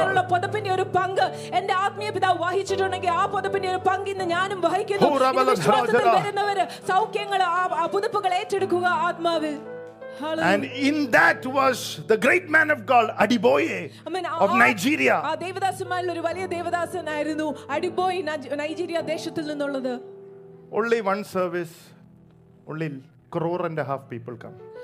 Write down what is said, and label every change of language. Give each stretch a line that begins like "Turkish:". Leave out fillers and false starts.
Malayalam: പൊതപ്പിന്റെ ഒരു പങ്ക് എന്റെ ആത്മീയ പിതാവ് വഹിച്ചിട്ടുണ്ടെങ്കിൽ ആ പൊതപ്പിന്റെ ഒരു പങ്ക് ഇന്ന് ഞാനും വഹിക്കുന്നു. വരുന്നവര് സൗഖ്യങ്ങൾ പുതുപ്പുകൾ ഏറ്റെടുക്കുക ആത്മാവിൽ.
English: And in that was the great man of God, Adiboye, of Nigeria.
Malayalam: ആ ദേവദാസന്മാരിൽ ഒരു വലിയ ദേവദാസനായിരുന്നു അടിബോയ്, നൈജീരിയ ദേശത്തിൽ നിന്നുള്ളത്.
English: Only one service, only crore and a half people come.